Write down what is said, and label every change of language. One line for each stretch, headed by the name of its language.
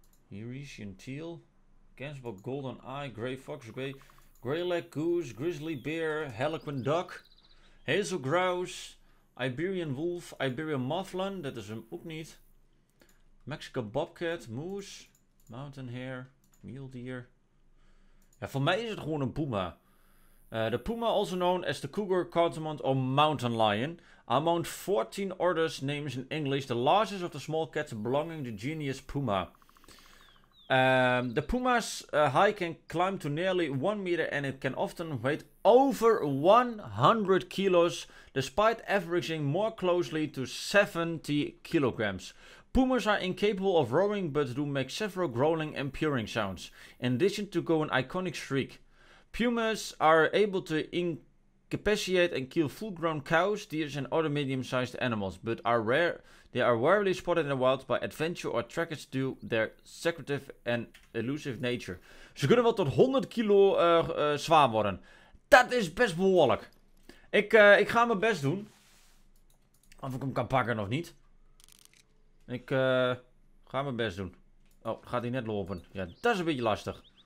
English: Eurasian Teal, Gansbok Golden Eye, Grey Fox, Grey Leg Goose, Grizzly Bear, Harlequin Duck, Hazel Grouse, Iberian Wolf, Iberian Mufflin,
Dutch: dat is hem ook niet.
English: Mexican Bobcat, Moose, Mountain Hare, Mule Deer.
Dutch: Ja, voor mij is het gewoon een puma.
English: De puma, also known as the Cougar, Catamount or Mountain Lion, among 14 orders names in English, the largest of the small cats belonging to the genus puma. The puma's height can climb to nearly 1 meter and it can often weigh over 100 kilos despite averaging more closely to 70 kilograms. Pumas are incapable of roaring but do make several growling and purring sounds, in addition to going iconic shriek. Pumas are able to capacitate and kill full-grown cows, deers and other medium-sized animals, but are rare. They are rarely spotted in the wild by adventure or trackers due to their secretive and elusive nature.
Dutch: Ze kunnen wel tot 100 kilo zwaar worden. Dat is best behoorlijk. Ik ga mijn best doen. Of ik hem kan pakken of niet. Ik ga mijn best doen. Oh, gaat hij net lopen? Ja, dat is een beetje lastig.